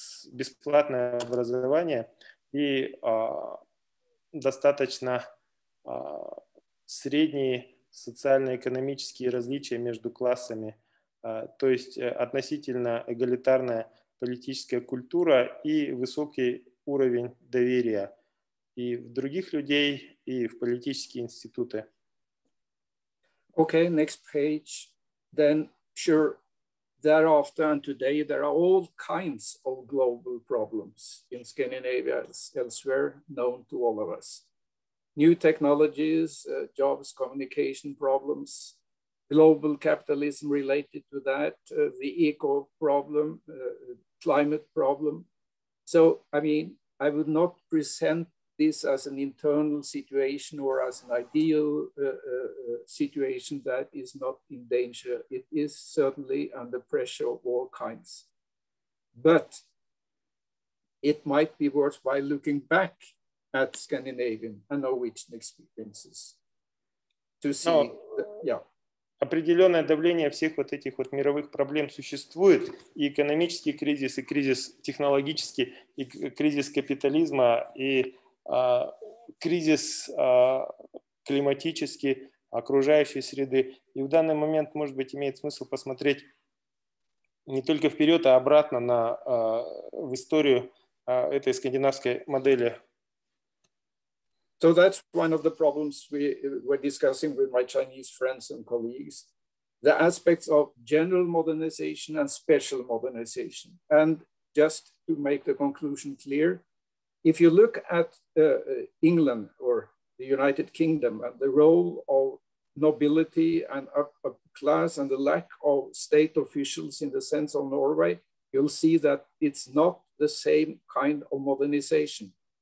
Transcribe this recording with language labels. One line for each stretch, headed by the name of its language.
Russian: бесплатное образование и достаточно средние социально-экономические различия между классами, то есть относительно эгалитарная политическая культура и высокий уровень доверия и в других людей, и в политические институты.
English: Okay, next page. Then, sure, thereafter and today there are all kinds of global problems in Scandinavia and elsewhere known to all of us. New technologies, jobs, communication problems, global capitalism related to that, the eco problem, climate problem. So, I mean, I would not present this as an internal situation or as an ideal situation that is not in danger. It is certainly under pressure of all kinds. But it might be worthwhile looking back at Scandinavian and Norwegian experiences to see.
Russian: Определенное давление всех вот этих вот мировых проблем существует, и экономический кризис, и кризис технологический, и кризис капитализма, и кризис климатический, окружающей среды. И в данный момент, может быть, имеет смысл посмотреть не только вперед, а обратно на в историю этой скандинавской модели.
English: So that's one of the problems we were discussing with my Chinese friends and colleagues, the aspects of general modernization and special modernization. And just to make the conclusion clear, if you look at England or the United Kingdom and the role of nobility and upper class and the lack of state officials in the sense of Norway, you'll see that it's not the same kind of modernization.